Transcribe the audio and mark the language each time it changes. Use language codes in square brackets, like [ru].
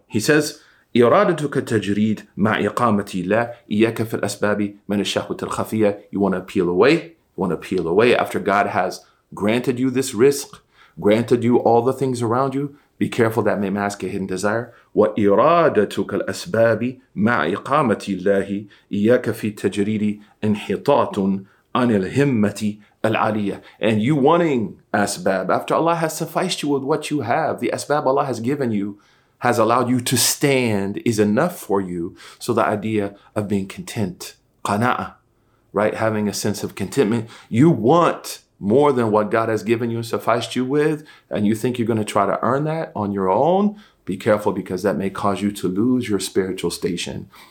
[en] He says, [ar] إرادتك التجريد مع إقامة الله إياك في الأسباب من الشهوة الخفية. [en] You want to peel away. You want to peel away after God has granted you this risk, granted you all the things around you. Be careful that may mask a hidden desire. [ar] وإرادتك الأسباب مع إقامة الله إياك في التجريد انحطاط عن الهمة العالية. [en] And you wanting asbab after Allah has sufficed you with what you have, the asbab Allah has given you, has allowed you to stand, is enough for you. So the idea of being content, qana'ah, right? Having a sense of contentment. You want more than what God has given you and sufficed you with, and you think you're going to try to earn that on your own, be careful, because that may cause you to lose your spiritual station.